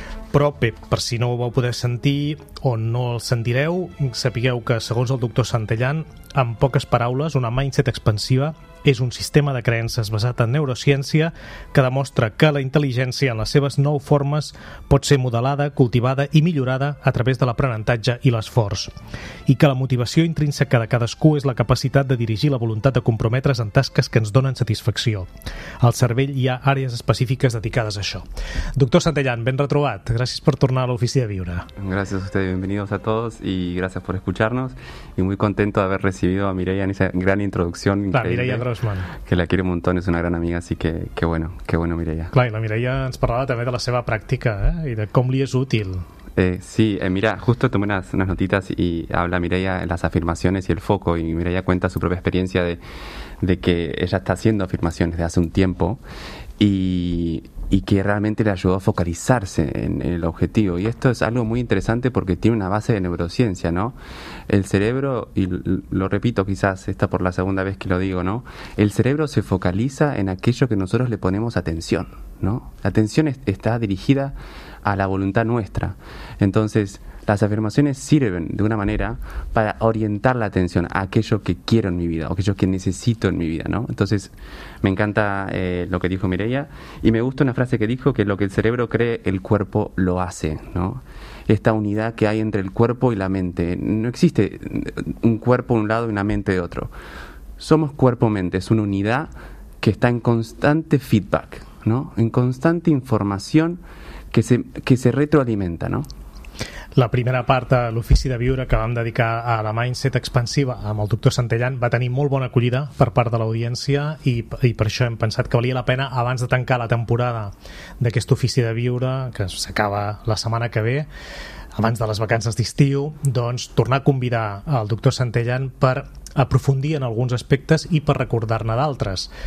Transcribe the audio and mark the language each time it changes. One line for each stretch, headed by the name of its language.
Catalan: Però bé, per si no ho vau poder sentir o no el sentireu, sapigueu que, segons el doctor Santellán, en poques paraules, una mindset expansiva és un sistema de creences basat en neurociència que demostra que la intel·ligència en les seves nou formes pot ser modelada, cultivada i millorada a través de l'aprenentatge i l'esforç, i que la motivació intrínseca de cadascú és la capacitat de dirigir la voluntat de comprometre's en tasques que ens donen satisfacció. Al cervell hi ha àrees específiques dedicades a això. Doctor Santellán, ben retrobat. Gràcies per tornar a l'Ofici de Viure.
Spanish: Gràcies a usted, bienvenidos a todos y gracias por escucharnos y muy contento de haber recibido a Mireia en esa gran introducción increíble.
Catalan: Clar, Grossman.
Spanish: Que la quiero un montón, es una gran amiga, así que qué bueno Mireia.
Catalan: Clar, i la Mireia ens parlava també de la seva pràctica, i de com li és útil.
Spanish: Mira, justo tomé unas notitas y habla Mireia en las afirmaciones y el foco, y Mireia cuenta su propia experiencia de que ella está haciendo afirmaciones de hace un tiempo y que realmente le ayudó a focalizarse en el objetivo. Y esto es algo muy interesante porque tiene una base de neurociencia, ¿no? El cerebro, y lo repito quizás, esta por la segunda vez que lo digo, ¿no? El cerebro se focaliza en aquello que nosotros le ponemos atención, ¿no? La atención está dirigida a la voluntad nuestra. Entonces, las afirmaciones sirven de una manera para orientar la atención a aquello que quiero en mi vida, o aquello que necesito en mi vida, ¿no? Entonces, me encanta lo que dijo Mireia, y me gusta una frase que dijo, que lo que el cerebro cree, el cuerpo lo hace, ¿no? Esta unidad que hay entre el cuerpo y la mente. No existe un cuerpo de un lado y una mente de otro. Somos cuerpo-mente, es una unidad que está en constante feedback, ¿no? En constante información que se retroalimenta, ¿no?
Catalan: La primera part de l'Ofici de Viure que vam dedicar a la Mindset Expansiva amb el doctor Santellán va tenir molt bona acollida per part de l'audiència i per això hem pensat que valia la pena, abans de tancar la temporada d'aquest Ofici de Viure, que s'acaba la setmana que ve, abans de les vacances d'estiu, doncs tornar a convidar el doctor Santellán per aprofundir en alguns aspectes i per recordar-ne d'altres.